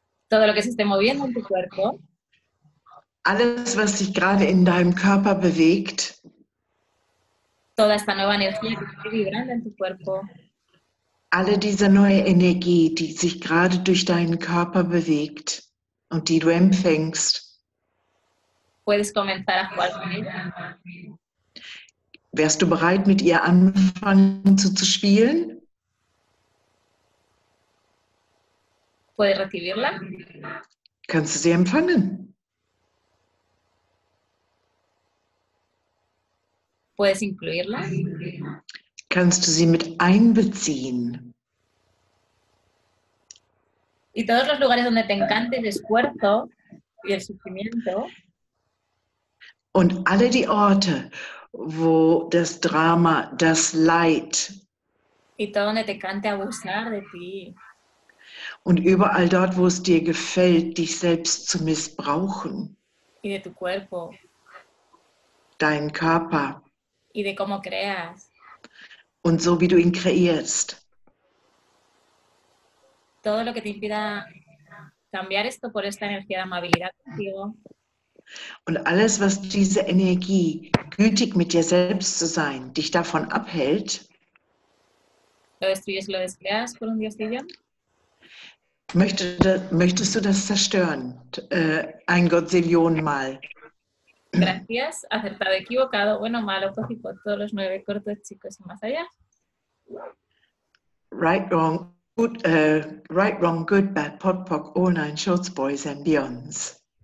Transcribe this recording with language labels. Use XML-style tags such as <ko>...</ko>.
<es>Todo lo que se esté moviendo en tu cuerpo.</es> <de>Alles, was sich gerade in deinem Körper bewegt.</de> <es>Toda esta nueva energía que está vibrando en tu cuerpo.</es> <de>Alle diese neue Energie, die sich gerade durch deinen Körper bewegt und die du empfängst.</de> <es>Puedes comenzar a jugar con ella.</es> <de>Wärst du bereit, mit ihr anfangen zu spielen?</de> <es>¿Puedes recibirla?</es> <de>Kannst du sie empfangen?</de> <es>¿Puedes incluirla?</es> <de>Kannst du sie mit einbeziehen?</de> <es>Y todos los lugares donde te encante el esfuerzo y el sufrimiento.</es> <de>Und alle die Orte, wo das Drama, das Leid.</de> <es>Y todo donde te encante abusar de ti.</es> <de>Und überall dort, wo es dir gefällt, dich selbst zu missbrauchen.</de> <es>Y de tu cuerpo.</es> <de>Dein Körper.</de> <es>Y de cómo creas.</es> <de>Und so, wie du ihn kreierst.</de> <es>Todo lo que te impida cambiar esto por esta energía de amabilidad contigo.</es> <de>Und alles, was diese Energie, gütig mit dir selbst zu sein, dich davon abhält.</de> <es>Lo destruyes, lo descreas por un diosillo.</es> <de>Möchtest du das zerstören, ein Godzillion mal?</de> <es>Gracias, acertado, equivocado, bueno, malo, positivo, todos los 9 cortos, chicos, y más allá.</es> <en>Right, wrong, good, bad, pop, all 9 shorts, boys and beyonds.</en>